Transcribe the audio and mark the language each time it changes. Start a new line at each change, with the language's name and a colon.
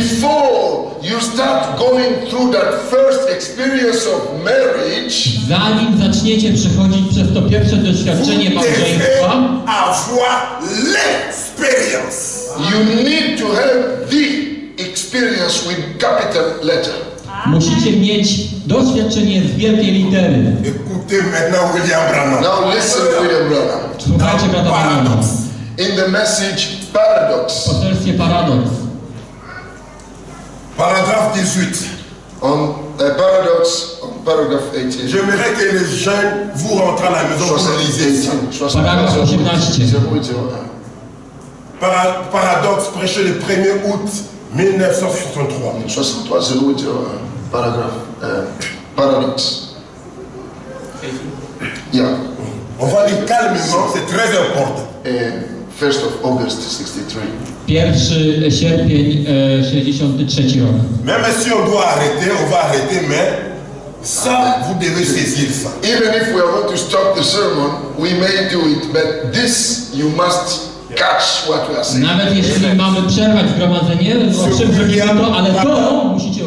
English: before you start going through that first experience of marriage,
Polish: zanim zaczniecie przechodzić przez to pierwsze doświadczenie małżeństwa,
French: avoir l'expérience.
English: You need to have the experience with capital letter.
Polish: Musicie mieć doświadczenie z wielkiej litery.
English: Now listen, William Branham.
Polish: Słuchajcie, brata Branhama.
English: In the message Paradox.
Polish: Poselstwie Paradox.
English: Paragraph 18. On a paradox, on paragraph 18.
French: J'aimerais que les jeunes vous rentrent à la maison pour réaliser ça.
English: Paragraph 18.
French: Paradox prêché le 1er août 1963.
English: 63, 08, paragraph. Paradox. Yeah.
French: On va aller calmement, c'est très important.
English: First of August 63.
Polish: 1 sierpień 63 rok.
French: Même si on doit arrêter, on va arrêter, mais ça, vous devez saisir ça.
English: Even if we are going to stop the sermon, we may do it, but this you must catch what we are saying.
Polish: Nawet jeśli mamy przerwać zgromadzenie, to przerwijmy to, ale to musicie